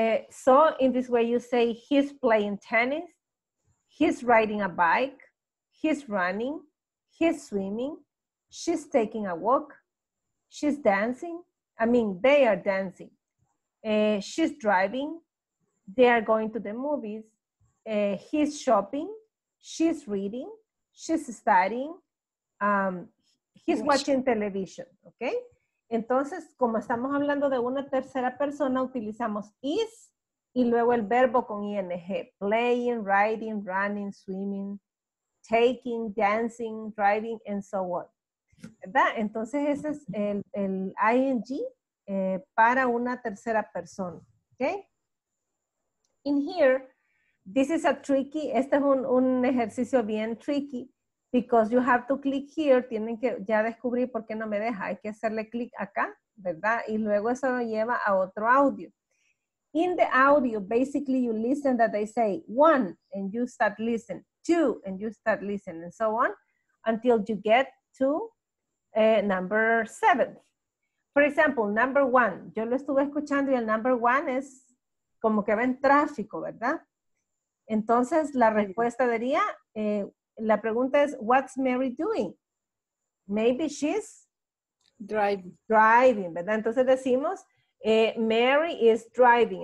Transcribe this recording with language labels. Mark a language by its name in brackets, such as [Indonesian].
[English] So in this way you say he's playing tennis, he's riding a bike, he's running, he's swimming, she's taking a walk, she's dancing, I mean they are dancing, she's driving, they are going to the movies, he's shopping, she's reading, she's studying, he's watching television, ¿ok? [Spanish] Entonces, como estamos hablando de una tercera persona, utilizamos is y luego el verbo con ing. [English] Playing, riding, running, swimming, taking, dancing, driving, and so on. [Spanish] ¿Verdad? Entonces, ese es el ing para una tercera persona, ¿ok? [English] In here, this is a tricky, [Spanish] este es un ejercicio bien tricky. [English] Because you have to click here, [Spanish] tienen que ya descubrir por qué no me deja. Hay que hacerle clic acá, ¿verdad? Y luego eso lo lleva a otro audio. [English] In the audio, basically you listen that they say one and you start listening, two and you start listening, and so on until you get to number seven. For example, number one, [Spanish] yo lo estuve escuchando y el [English] number one [Spanish] es como que va en tráfico, ¿verdad? Entonces la respuesta sería, la pregunta es, [English] what's Mary doing? Maybe she's driving, [Spanish] ¿verdad? Entonces decimos, [English] Mary is driving.